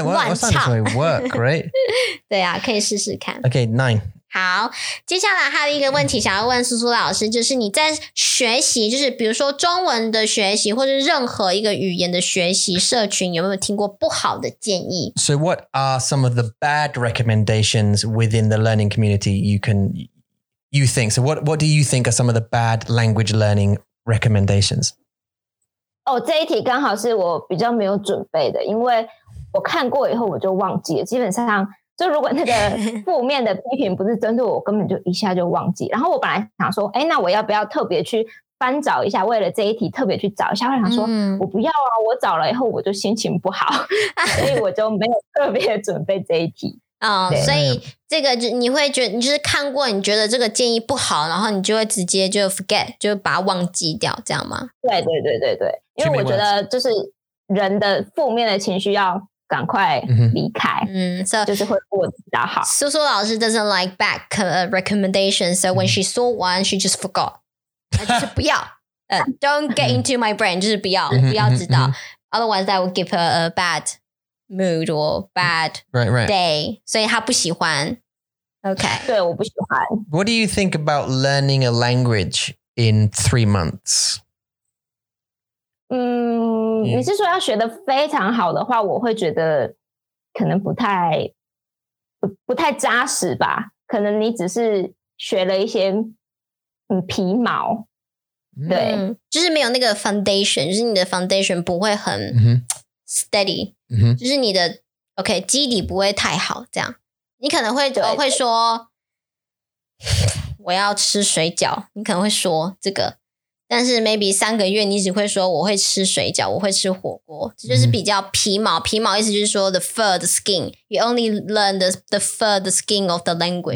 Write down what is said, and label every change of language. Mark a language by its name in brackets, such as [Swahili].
[Chinese] 乱唱 [English] work, right? [Chinese] 对啊，可以试试看。 [English] OK, nine. [Chinese] 好，接下来还有一个问题想要问苏苏老师，就是你在学习，就是比如说中文的学习或者任何一个语言的学习社群，有没有听过不好的建议？ [English] So what are some of the bad recommendations within the learning community you think? So what do you think are some of the bad language learning recommendations? [Chinese] 哦，这一题刚好是我比较没有准备的，因为我看过以后我就忘记了，基本上就如果那个负面的批评不是针对我，根本就一下就忘记。然后我本来想说，哎，那我要不要特别去翻找一下？为了这一题特别去找一下，我想说，我不要啊，我找了以后我就心情不好，所以我就没有特别准备这一题。所以这个你会觉得，你就是看过，你觉得这个建议不好，然后你就会直接就 forget, 就把它忘记掉，这样吗？对对对对对，因为我觉得就是人的负面的情绪要。赶快离开， [English] so, [Chinese] 就是会过得比较好。 [English] 苏苏老师 doesn't like bad recommendations, so when she saw one, she just forgot. [Chinese] 就是不要 [English] don't get into my brain, [Chinese] 就是不要不要知道。 [English] Otherwise, that would give her a bad mood or bad right, right. [Chinese] day. 所以她不喜欢。Okay. 对，我不喜欢。 [English] What do you think about learning a language in 3 months? [Chinese] 嗯，你是说要学得非常好的话，我会觉得可能不太扎实吧？可能你只是学了一些皮毛。对、嗯，就是没有那个 foundation， 就是你的 foundation 不会很 steady，、嗯、就是你的 OK 基底不会太好，这样你可能会对对会说我要吃水饺，你可能会说这个，但是 maybe 3个月你只会说我会吃水饺，我会吃火锅，这就是比较皮毛。嗯、皮毛意思就是说 [English] the fur, the skin. You only learn the fur, the skin of the language.